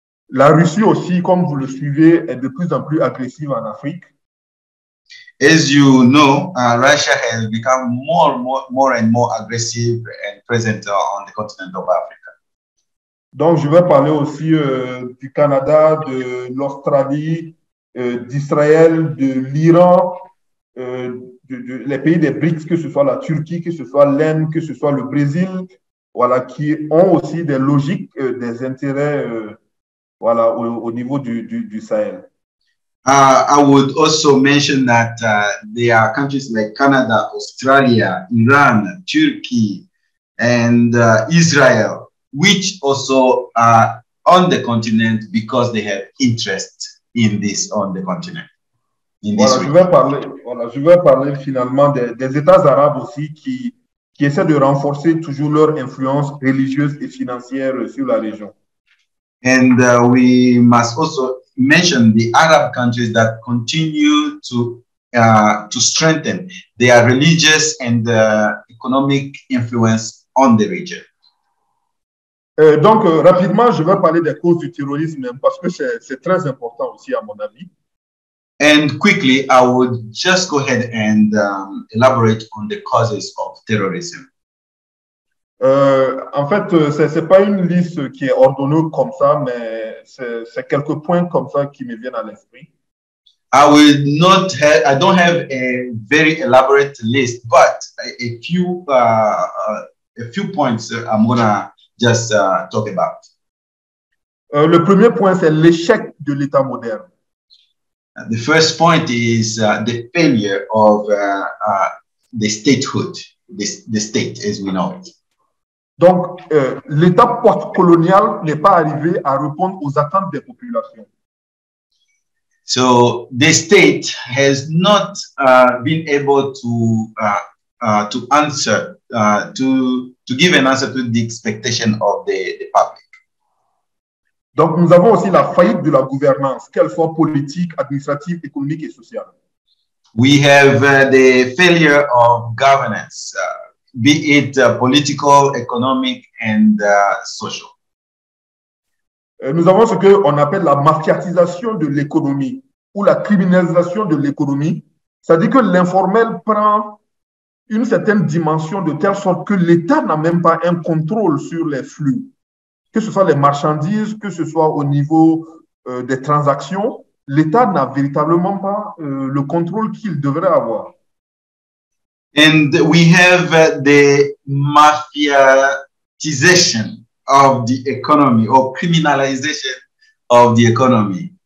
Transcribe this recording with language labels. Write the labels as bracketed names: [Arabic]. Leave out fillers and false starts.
[French] La Russie aussi, comme vous le suivez, est de plus en plus agressive en Afrique. [English] As you know, Russia has become more and more aggressive and present on the continent of Africa. [French] Donc, je vais parler aussi du Canada, de l'Australie, d'Israël, de l'Iran, les pays des BRICS, que ce soit la Turquie, que ce soit l'Inde, que ce soit le Brésil, voilà, qui ont aussi des logiques, des intérêts, voilà, au niveau du Sahel. [English] I would also mention that there are countries like Canada, Australia, Iran, Turkey, and Israel, which also are on the continent because they have interest in this on the continent. [French] Je vais parler finalement des États arabes aussi qui essaient de renforcer toujours leur influence religieuse et financière sur la région. [English] And we must also mention the Arab countries that continue to strengthen their religious and economic influence on the region. [French] Donc rapidement, je vais parler des causes du terrorisme parce que c'est très important aussi à mon avis. [English] And quickly, I would just go ahead and elaborate on the causes of terrorism. [French] En fait, c'est pas une liste qui est ordonnée comme ça, mais c'est quelques points comme ça qui me viennent à l'esprit. [English] I don't have a very elaborate list, but a few points I'm gonna just talk about. [French] Le premier point, c'est l'échec de l'État moderne. [English] The first point is the failure of the statehood, the state as we know it. [French] Donc, l'État post-colonial n'est pas arrivé à répondre aux attentes des populations. [English] So, the state has not been able to answer, to give an answer to the expectation of the public. [French] Donc, nous avons aussi la faillite de la gouvernance, qu'elle soit politique, administrative, économique et sociale. [English] We have the failure of governance, be it political, economic, and social. [French] Nous avons ce qu'on appelle la mafiatisation de l'économie ou la criminalisation de l'économie. C'est-à-dire que l'informel prend une certaine dimension de telle sorte que l'État n'a même pas un contrôle sur les flux, que ce soit les marchandises, que ce soit au niveau des transactions. L'État n'a véritablement pas le contrôle qu'il devrait avoir. [English] And we have the mafiatization of the economy or criminalization of the economy.